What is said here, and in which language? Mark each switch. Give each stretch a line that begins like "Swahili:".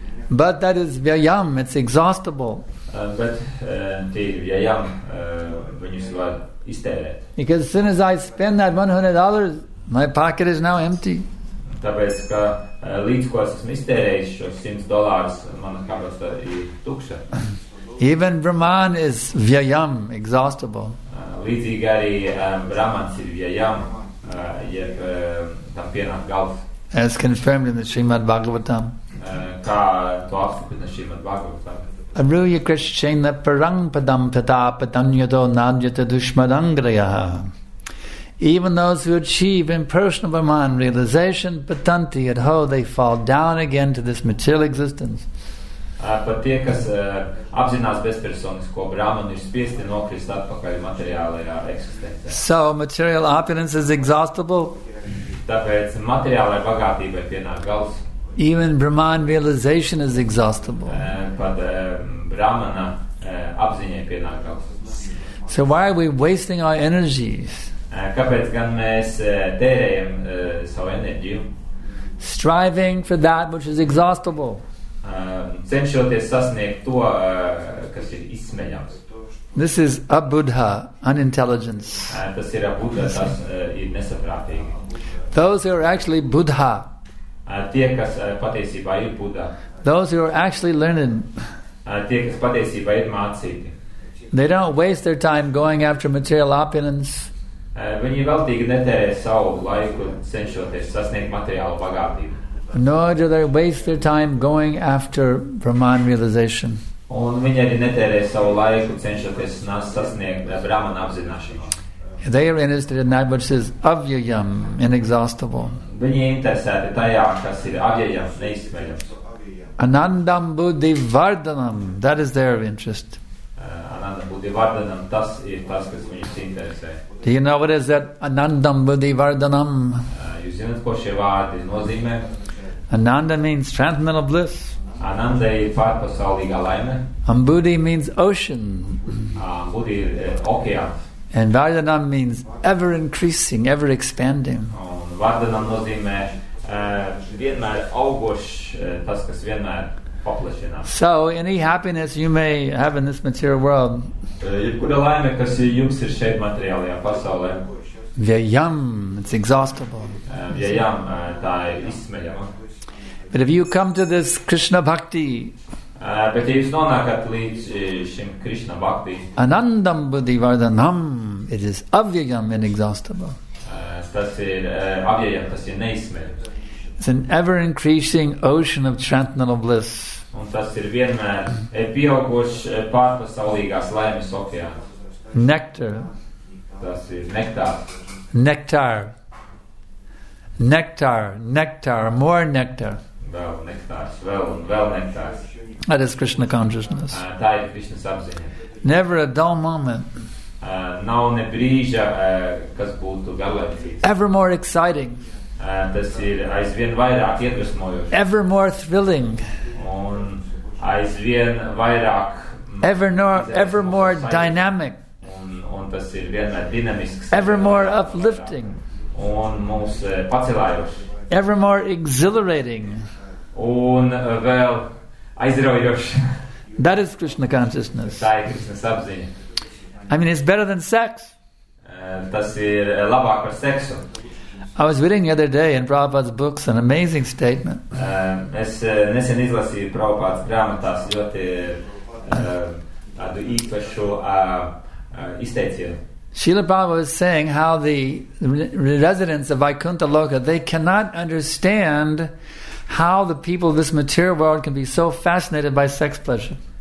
English: But that is vyayam, it's exhaustible.
Latvian: Bet tie ir vyayam, viņus var iztērēt.
English: Because as soon as I spend that $100, my pocket is now empty.
Latvian: Tāpēc, ka līdz ko esmu iztērējis šos $100, mana kabata ir tukša.
English: Even Brahman is vyayam, exhaustible.
Latvian: Līdzīgi arī Brahmans ir vyayam, jeb tam pienāk gals.
English: As confirmed in the Srimad Bhagavatam.
Latvian: Kā to apstiprina Srimad Bhagavatam.
Sanskrit: Arūya krishchena parang padam pata patanyato nadyata dushmadangrayaha.
English: Even those who achieve impersonal Brahman realization,
Sanskrit: patanti at ho,
English: they fall down again to this material existence.
Latvian: Pat tie, kas apzinās bezpersonisko brāmanu, ir spiesti nokrist atpakaļ materiālajā eksistencē.
English: So, material opulence is exhaustible.
Latvian: Tāpēc materiālai bagātībai pienāk gals.
English: Even Brahman realization is exhaustible.
Latvian: Pat brāmana apziņai pienāk gals.
English: So, why are we wasting our energies?
Latvian: Kāpēc gan mēs tērējam savu enerģiju?
English: Striving for that which is exhaustible.
Latvian: Cenšoties sasniegt to, kas ir izsmeļams.
English: This is abuddha, unintelligence.
Latvian: Tas ir abuddha, tas ir nesaprātīgi.
English: Those who are actually buddha.
Latvian: Tie, kas patiesībā ir buddha.
English: Those who are actually learned.
Latvian: Tie, kas patiesībā ir mācīti.
English: They don't waste their time going after material opulence.
Latvian: Viņi veltīgi netērē savu laiku cenšoties sasniegt materiālu bagātību.
English: Nor do they waste their time going after Brahman realization.
Latvian: Un viņi arī netērē savu laiku cenšoties sasniegt Brahman apzināšanos.
English: They are interested in that which is avyayam, inexhaustible.
Latvian: Viņi ir interesēti tajā, kas ir avyayam, neizsmeļams.
Sanskrit: Anandam buddhi vardhanam,
English: that is their interest.
Sanskrit: Anandam buddhi vardhanam,
Latvian: tas ir tas, kas viņus interesē.
English: Do you know what is that anandam buddhi vardhanam?
Latvian: Jūs zināt, ko šie vārdi nozīmē?
English: Ananda means transcendental bliss.
Latvian: Ananda ir pārpasaulīgā laime.
English: Ambudi means ocean.
Latvian: Ambudi ir okeāns.
English: And vardhanam means ever increasing, ever expanding.
Latvian: Un vardhanam nozīmē vienmēr augošs, tas, kas vienmēr paplašinās.
English: So, any happiness you may have in this material world.
Latvian: Jebkura laime, kas jums ir šeit materiālajā pasaulē.
English: Vyayam, it's exhaustible.
Latvian: Vyayam, tā ir izsmeļama.
English: But if you come to this Krishna bhakti,
Latvian: bet ja jūs nonākat līdz šim Krishna bhakti,
Sanskrit: anandam buddhi vardhanam,
English: it is avyayam, inexhaustible.
Latvian: Tas ir avyayam, tas ir neizsmeļams.
English: It's an ever-increasing ocean of transcendental bliss.
Latvian: Un tas ir vienmēr pieaugošs pārpasaulīgās laimes okeāns.
English: Nectar.
Latvian: Tas ir nektār.
English: Nectar. Nectar, nectar, more nectar.
Latvian: Vēl nektārs, vēl un vēl nektārs.
English: That is Krishna consciousness.
Latvian: Tā ir Krishnas apziņa.
English: Never a dull moment.
Latvian: Nav ne brīža, kas būtu galvenais.
English: Ever more exciting.
Latvian: Tas ir aizvien vairāk iedvesmojoši.
English: Ever more thrilling.
Latvian: Un aizvien vairāk.
English: Ever more dynamic.
Latvian: Un tas ir vienmēr dinamisks.
English: Ever more uplifting.
Latvian: Un mūs pacelājoši.
English: Ever more exhilarating.
Latvian: Un vēl aizraujoši.
English: That is Krishna consciousness.
Latvian: Tā ir Krishnas apziņa.
English: I mean, it's better than sex.
Latvian: Tas ir labāk par seksu.
English: I was reading the other day in Prabhupāda's books an amazing statement.
Latvian: Es nesen izlasīju Prabhupāda's grāmatās ļoti tādu īpašu izteicienu.
English: Srila Prabhupada was saying how the residents of Vaikuntha Loka, they cannot understand how the people of this material world can be so fascinated by sex pleasure.